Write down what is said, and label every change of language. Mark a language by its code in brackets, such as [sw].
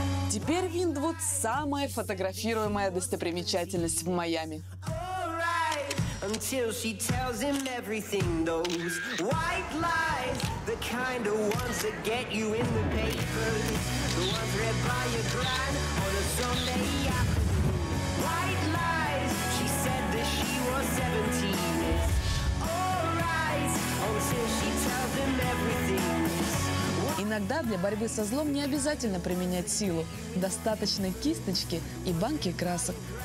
[ru] Теперь Виндвуд – самая фотографируемая достопримечательность в Майами. [en] Until she tells him everything, those white lies, the kind of ones that get you in the papers, the ones read by your grand on a Sunday afternoon. White lies, she said that she was 17. It's all right, until she tells him everything. [ru] Иногда для борьбы со злом не обязательно применять силу. Достаточно кисточки и банки красок.